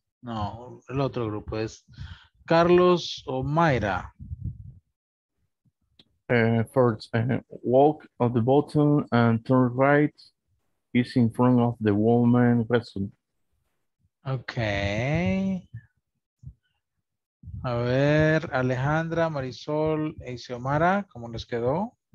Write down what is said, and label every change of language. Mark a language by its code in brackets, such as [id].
[es] No, el otro grupo es Carlos o Mayra. [en] First, walk on the bottom and turn right is in front of the woman restroom. Okay. [es] A ver, Alejandra, Marisol e Isiomara, ¿cómo les quedó?